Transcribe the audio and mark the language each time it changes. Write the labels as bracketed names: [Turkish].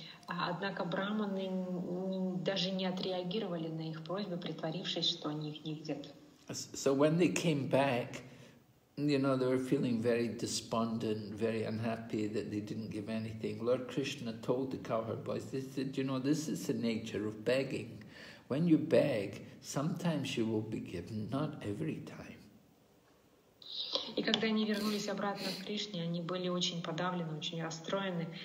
[Russian] Однако брахманы даже не отреагировали на их просьбы, притворившись, что они их не видят. [English] So when they came back, You know, they were feeling very despondent, very unhappy that they didn't give anything. Lord Krishna told the cowherd boys, they said, you know, this is the nature of begging. When you beg, sometimes you will be given, not every time. [Russian] И когда они вернулись обратно к Кришне, они были очень подавлены, очень расстроены.